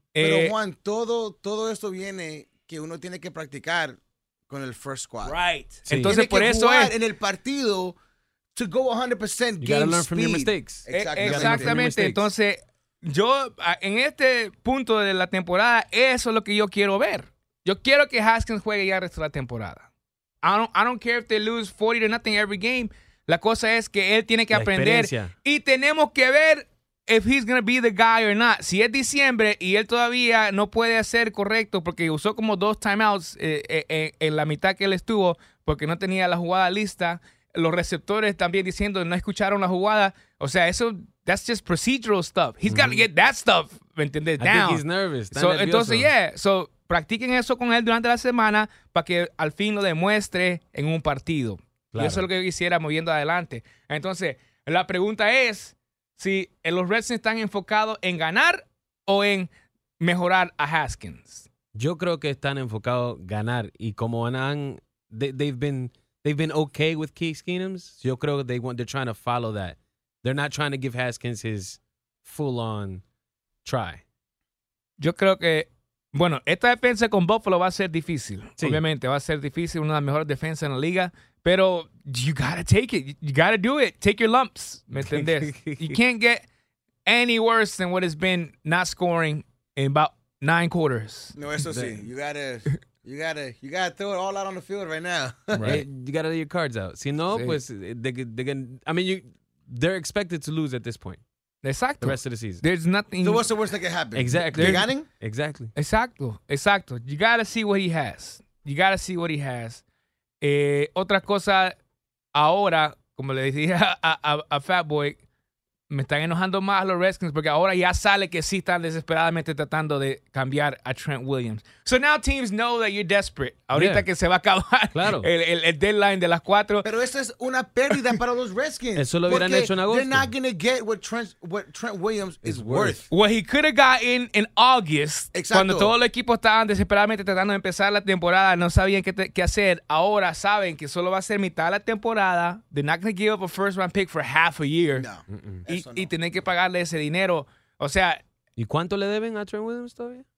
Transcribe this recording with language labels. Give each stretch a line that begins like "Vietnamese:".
Spanish: Pero Juan, todo esto viene que uno tiene que practicar con el first squad. Right. Sí. Entonces, tiene por eso jugar es en el partido
English: to go 100% game speed. You gotta learn from your mistakes.
Spanish: Exactamente. Entonces, yo, en este punto de la temporada, eso es lo que yo quiero ver. Yo quiero que Haskins juegue ya el resto de la temporada.
English: I don't care if they lose 40-0 every game.
Spanish: La cosa es que él tiene que aprender. Y tenemos que ver
English: if he's going to be the guy or not.
Spanish: Si es diciembre y él todavía no puede hacer correcto porque usó como dos timeouts en la mitad que él estuvo porque no tenía la jugada lista. Los receptores también diciendo no escucharon la jugada. O sea, eso...
English: That's just procedural stuff. He's got to get that stuff,
Spanish: ¿me entiendes?
English: Down. I think he's nervous.
Spanish: So, entonces, So, practiquen eso con él durante la semana para que al fin lo demuestre en un partido. Claro. Y eso es lo que yo quisiera moviendo adelante. Entonces, la pregunta es si los Redskins están enfocados en ganar o en mejorar a Haskins. Yo creo que están enfocados en ganar. Y como
English: they've been okay with Case Keenum's,
Spanish: yo creo que
English: they're trying to follow that. They're not trying to give Haskins his full-on try.
Spanish: Yo creo que, bueno, esta defensa con Buffalo va a ser difícil. Sí. Obviamente, va a ser difícil. Una de las mejores defensas en la liga.
English: Pero you gotta take it. You gotta do it. Take your lumps.
Spanish: ¿Me entendés?
English: You can't get any worse than what has been not scoring in about 9 quarters.
Spanish: No, eso sí.
English: You gotta throw it all out on the field right now. Right. You gotta lay your cards out.
Spanish: Si no, sí. Pues,
English: they can, I mean, you... They're expected to lose at this point.
Spanish: Exacto.
English: The rest of the season. There's nothing. So what's the worst that can happen? Exactly. You got him? Exactly.
Spanish: Exacto. Exacto.
English: You got to see what he has. You got to see what he has.
Spanish: Otra cosa, ahora, como le decía a Fatboy, me están enojando más los Redskins porque ahora ya sale que sí están desesperadamente tratando de cambiar a Trent Williams.
English: So now teams know that you're desperate.
Spanish: Ahorita
English: yeah.
Spanish: que se va a acabar claro. el deadline de las cuatro. Pero eso es una pérdida para los Redskins. Eso lo hubieran hecho en agosto.
English: They're not going to get what Trent Williams is worth. What he could have gotten in August.
Spanish: Exacto. Cuando todo el equipo estaban desesperadamente tratando de empezar la temporada, no sabían qué hacer. Ahora saben que solo va a ser mitad de la temporada.
English: They're not going to give up a first round pick for half a year. No. Mm-mm.
Spanish: Y tener que pagarle ese dinero. O sea... ¿Y cuánto le deben a Trent Williams todavía?